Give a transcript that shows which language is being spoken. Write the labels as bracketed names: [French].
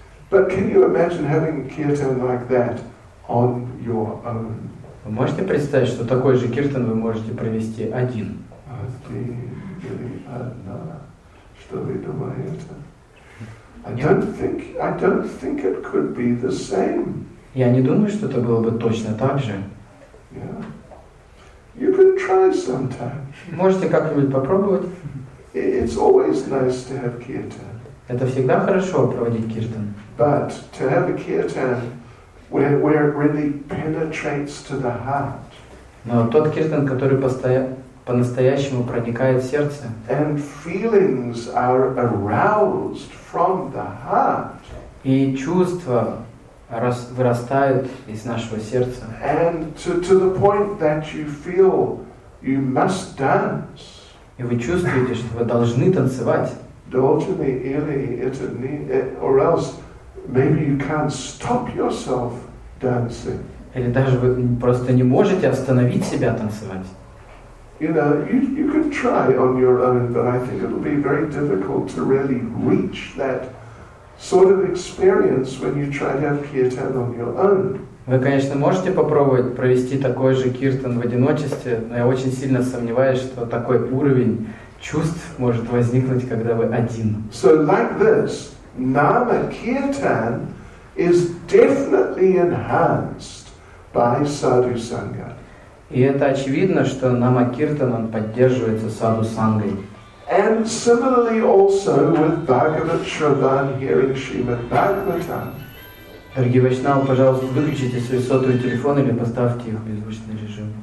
[English] But can you imagine having a kirtan like that on your own? [Russian] Вы можете представить, что такой же киртан вы можете провести один? Что вы думаете? [English] I don't think it could be the same. [Russian] Я не думаю, что это было бы точно так же. [English] Yeah. You can try sometime. [Russian] Можете как-нибудь попробовать. [English] It's always nice to have kirtan. [Russian] Это всегда хорошо проводить киртан. [English] But to have a kirtan where it really penetrates to the heart. [Russian] Но тот киртан, который по-настоящему проникает в сердце. [English] And feelings are aroused from the heart. [Russian] И чувства вырастают из нашего сердца. [English] And to the point that you feel you must dance. [Russian] И вы чувствуете, что вы должны танцевать. Должны или это не, [English] or else maybe you can't stop yourself dancing. [Russian] Или даже вы просто не можете остановить себя танцевать. [English] You know, you can try on your own, but I think it'll be very difficult to really reach that sort of experience when you try to have kirtan on your own. [Russian] Вы, конечно, можете попробовать провести такой же киртан в одиночестве, но я очень сильно сомневаюсь, что такой уровень чувств может возникнуть, когда вы один. [English] So like this, nama kirtan is definitely enhanced by sadhu sangha. [Russian] И это очевидно, что нама киртан он поддерживается саду сангой. [English] And similarly also with Bhagavat Shravan hearing Srimad Bhagavatam. [Russian] Дорогие вайшнавы, пожалуйста, выключите свой сотовый телефон или поставьте их в беззвучный режим.